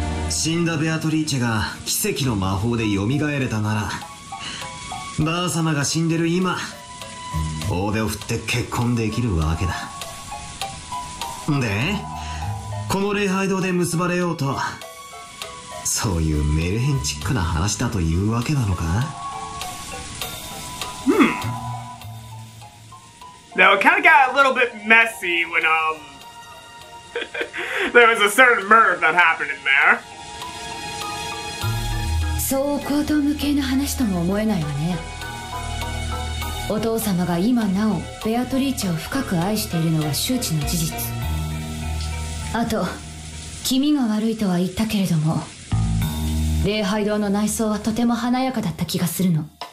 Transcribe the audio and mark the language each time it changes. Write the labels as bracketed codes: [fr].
[ja] 死んだベアトリーチェが奇跡の魔法で蘇れたなら、ばあ様が死んでる今、大手を振って結婚できるわけだ。で、この礼拝堂で結ばれようと、そういうメルヘンチックな話だというわけなのか？ [en] Now, it kind of got a little bit messy when, there was a certain murder that happened in there. [ja] そう荒唐無稽な話とも思えないわね。お父様が今なおベアトリーチェを深く愛しているのは周知の事実。あと、気味が悪いとは言ったけれども、礼拝堂の内装はとても華やかだった気がするの。